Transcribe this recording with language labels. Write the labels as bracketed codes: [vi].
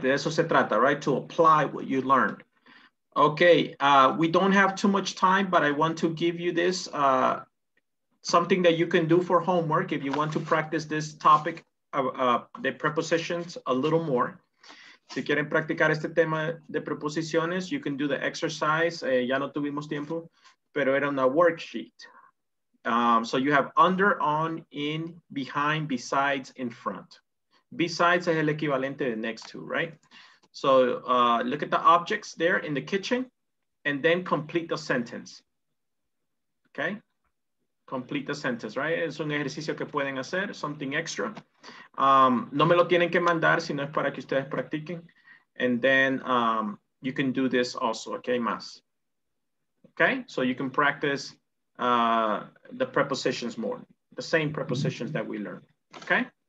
[es] De eso se trata, [en] right? To apply what you learned. Okay, we don't have too much time, but I want to give you this, something that you can do for homework if you want to practice this topic of the prepositions a little more. [es] Si quieren practicar este tema de preposiciones, [en] you can do the exercise. [es] Ya no tuvimos tiempo, pero era una worksheet. [en] So you have under, on, in, behind, besides, in front. Besides [es] es el equivalente de [en] next to, right? So look at the objects there in the kitchen and then complete the sentence. Okay? Complete the sentence, right? [es] Es un ejercicio que pueden hacer, [en] something extra. [es] No me lo tienen que mandar si no es para que ustedes practiquen. [en] And then you can do this also, okay, más. Okay, so you can practice the prepositions more, the same prepositions that we learned, okay?